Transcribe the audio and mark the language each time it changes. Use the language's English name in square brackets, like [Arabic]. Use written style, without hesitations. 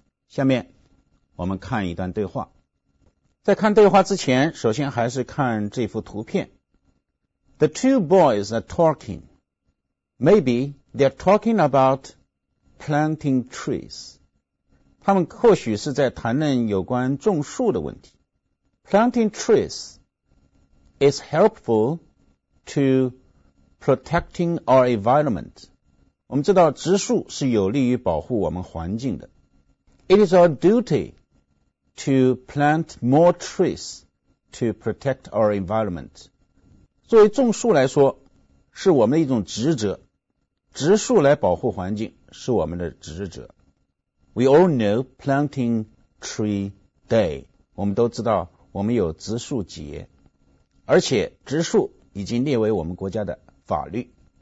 [Chinese] 下面我们看一段对话。在看对话之前，首先还是看这幅图片。 [English] The two boys are talking. Maybe they're talking about planting trees. [Chinese] 他们或许是在谈论有关种树的问题。 [English] Planting trees is helpful to protecting our environment. [Chinese] 我们知道植树是有利于保护我们环境的。 [English] It is our duty to plant more trees to protect our environment. [Chinese] 作为种树来说，是我们的一种职责。植树来保护环境是我们的职责。 [English] We all know planting tree day. [Chinese] 我们都知道我们有植树节，而且植树已经列为我们国家的法律。